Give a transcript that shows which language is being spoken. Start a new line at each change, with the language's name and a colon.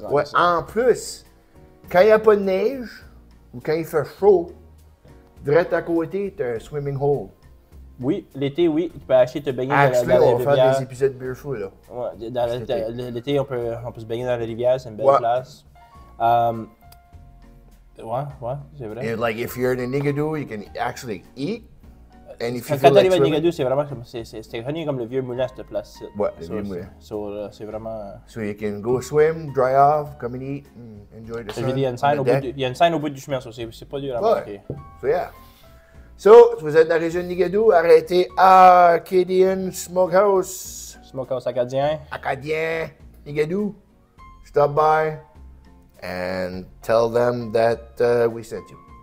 French: Ouais, en plus, quand il n'y a pas de neige ou quand il fait chaud, direct à côté, tu as un swimming hole. Oui, l'été, oui, tu peux acheter te baigner dans la rivière. On va faire des épisodes beer fou, là. Ouais, dans l'été, on peut se baigner dans la rivière, c'est une belle place. C'est vrai.
English: And like, if you're in a Nigadoo, you can actually eat. And if you feel like swimming...
French: Quand t'arrives à Nigadoo, c'est vraiment comme... C'est connu comme le vieux moulin à cette place. Ouais, le vieux moulin. So, c'est vraiment...
English: So, you can go swim, dry off, come and eat, and enjoy the sun.
French: Il y a une scène au bout du chemin, ça, c'est pas dur à marquer.
English: So, yeah.
French: So, vous êtes dans la région de Nigadoo, arrêtez à Acadian Smokehouse. Smokehouse Acadien. Acadien, Nigadoo.
English: Stop by and tell them that we sent you.